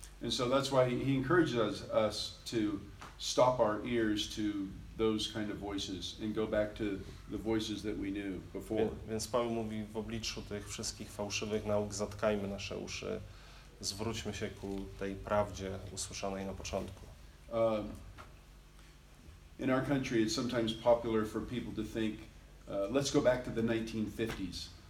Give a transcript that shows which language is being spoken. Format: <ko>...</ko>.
<en>And so that's why he encourages us to stop our ears to those kind of voices and go back to the voices that we knew before.</en> <pl>Więc Paweł mówi, w obliczu tych wszystkich fałszywych nauk zatkajmy nasze uszy, zwróćmy się ku tej prawdzie usłyszanej na początku.</pl> <en>In our country it's sometimes popular for people to think let's go back to the 1950s.</en>